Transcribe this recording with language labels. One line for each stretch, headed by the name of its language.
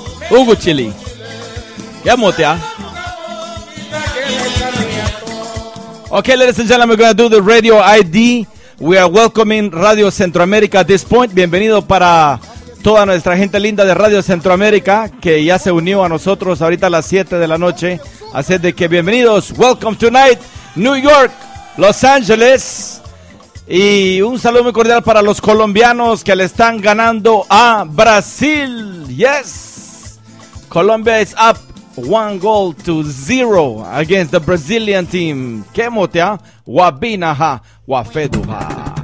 English: Ugu Chili. Yamotea. Okay, ladies and gentlemen, we're going to do the radio ID. We are welcoming Radio Centroamérica at this point.
Spanish: Bienvenido para toda nuestra gente linda de Radio Centroamérica que ya se unió a nosotros ahorita a las 7 de la noche. Así de que bienvenidos,
English: welcome tonight,
Spanish: New York, Los Ángeles, y un saludo muy cordial para los colombianos que le están ganando a Brasil.
English: Yes, Colombia is up 1-0 against the Brazilian team. Qué motea, wabinaha, wafeduha.